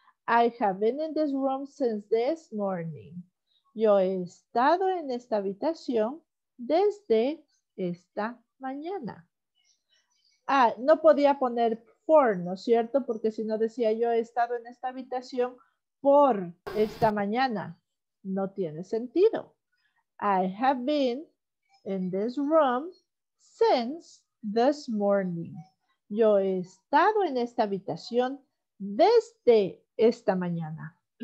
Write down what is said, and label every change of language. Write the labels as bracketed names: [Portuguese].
[English] I have been in this room since this morning. [Spanish] Yo he estado en esta habitación desde esta mañana. Ah, no podía poner for, ¿no es cierto? Porque si no decía yo he estado en esta habitación por esta mañana. No tiene sentido. [English] I have been in this room since this morning. [Spanish] Yo he estado en esta habitación desde esta mañana.